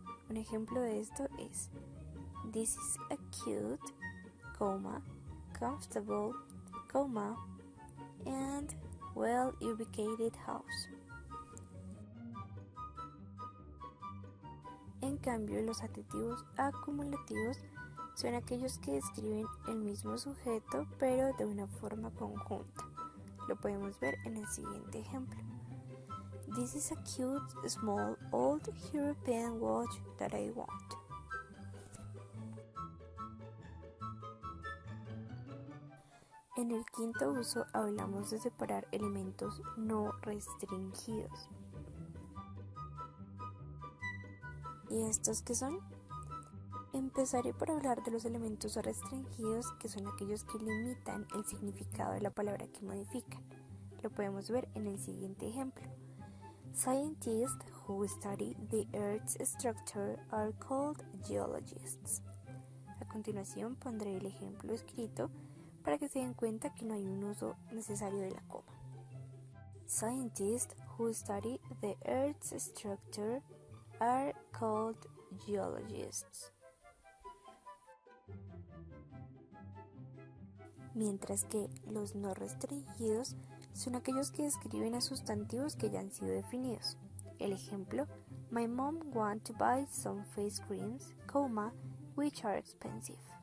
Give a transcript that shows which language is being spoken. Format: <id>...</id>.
<es>Un ejemplo de esto es:</es> <en>This is a cute, coma, comfortable, coma, and well-ubicated house.</en> <es>En cambio, los adjetivos acumulativos son aquellos que describen el mismo sujeto, pero de una forma conjunta. Lo podemos ver en el siguiente ejemplo.</es> <en>This is a cute, small, old European watch that I want.</en> <es>En el quinto uso hablamos de separar elementos no restringidos. ¿Y estos qué son? Empezaré por hablar de los elementos restringidos, que son aquellos que limitan el significado de la palabra que modifican. Lo podemos ver en el siguiente ejemplo.</es> <en>Scientists who study the Earth's structure are called geologists.</en> <es>A continuación pondré el ejemplo escrito para que se den cuenta que no hay un uso necesario de la coma.</es> <en>Scientists who study the Earth's structure are called geologists.</en> <es>Mientras que los no restringidos son aquellos que describen a sustantivos que ya han sido definidos. El ejemplo:</es> <en>My mom wants to buy some face creams, coma, which are expensive.</en>